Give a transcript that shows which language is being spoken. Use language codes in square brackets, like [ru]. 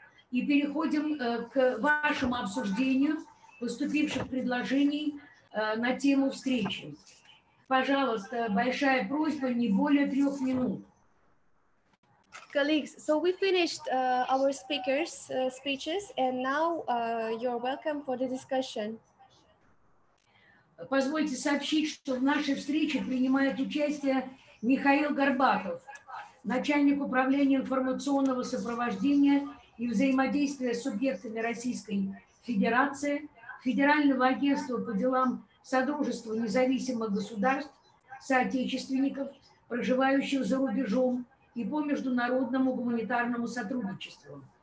[ru] И переходим к вашему обсуждению поступивших предложений на тему встречи. Пожалуйста, большая просьба, не более трех минут. [en] Colleagues, so we finished our speakers' speeches, and now you're welcome for the discussion. [ru] Позвольте сообщить, что в нашей встрече принимает участие Михаил Горбатов, начальник управления информационного сопровождения и взаимодействие с субъектами Российской Федерации, Федерального агентства по делам Содружества независимых государств, соотечественников, проживающих за рубежом, и по международному гуманитарному сотрудничеству.